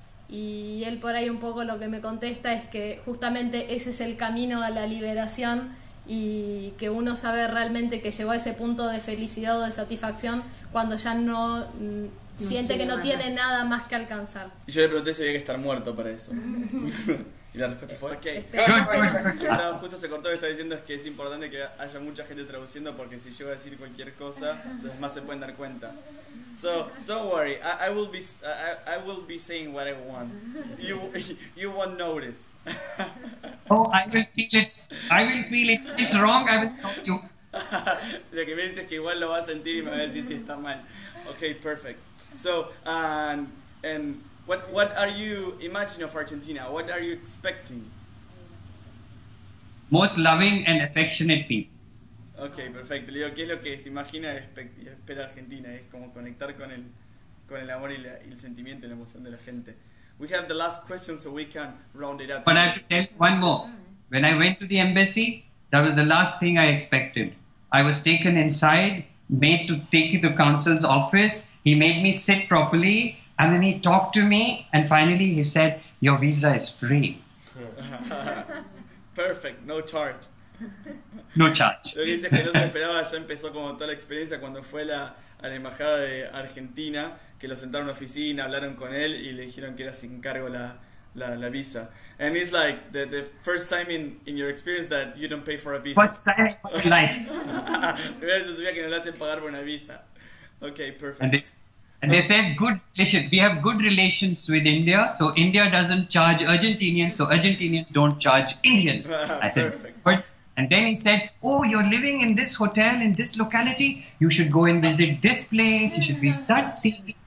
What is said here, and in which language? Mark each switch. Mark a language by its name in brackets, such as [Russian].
[Spanish] Y él por ahí un poco lo que me contesta es que justamente ese es el camino a la liberación y que uno sabe realmente que llegó a ese punto de felicidad o de satisfacción cuando ya no siente que no tiene nada más que alcanzar. Y yo le pregunté si había que estar muerto para eso. Y la respuesta fue ok. Justo se cortó, me estaba diciendo es que es importante que haya mucha gente traduciendo porque si yo voy a decir cualquier cosa, los demás se pueden dar cuenta. [English] So, don't worry, I will be saying what I want. You won't notice. Oh, I will feel it. It's wrong, I will tell you. [Spanish] Lo que me dice es que igual lo va a sentir y me va a decir si está mal. [English] Okay, perfect. So, and what are you imagining of Argentina? What are you expecting? Most loving and affectionate people. [Spanish] Okay, perfecto. Le digo, ¿qué es lo que se imagina y espera Argentina? Es como conectar con el amor y el sentimiento y la emoción de la gente. [English] We have the last question so we can round it up. But I have to tell you one more. When I went to the embassy, that was the last thing I expected. I was taken inside, made to take you to the counselor's office. He made me sit properly and then he talked to me and finally he said, your visa is free. Perfect, no charge. No charge. [Spanish] Lo que dice es que no se esperaba, ya empezó como toda la experiencia cuando fue a la embajada de Argentina, que lo sentaron en la oficina, hablaron con él y le dijeron que era sin cargo la visa. [English] And it's like the first time in your experience that you don't pay for a visa. First time in life. [Spanish] Primera vez sabía que no le hacen pagar por una visa. [English] Okay, perfect. And they said good relations. We have good relations with India, so India doesn't charge Argentinians, so Argentinians don't charge Indians. I said, perfect. And then he said, oh, you're living in this hotel, in this locality, you should go and visit this place, you should visit that city.